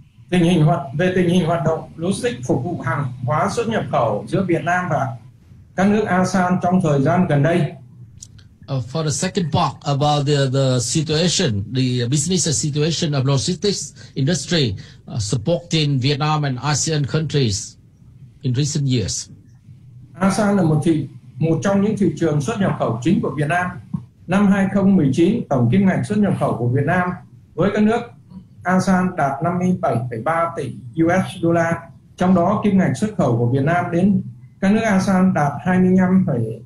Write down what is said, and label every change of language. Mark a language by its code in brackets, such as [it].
[vi] Tình hình hoạt động logistics phục vụ hàng hóa xuất nhập khẩu giữa Việt Nam và các nước ASEAN trong thời gian gần đây. [en] For the second part about the situation, the business situation of logistics industry supporting Vietnam and ASEAN countries in recent years. [vi] ASEAN là một trong những thị trường xuất nhập khẩu chính của Việt Nam. Năm 2019, tổng kim ngạch xuất nhập khẩu của Việt Nam với các nước ASEAN đạt 57,3 tỷ USD, trong đó kim ngạch xuất khẩu của Việt Nam đến các nước ASEAN đạt 25,3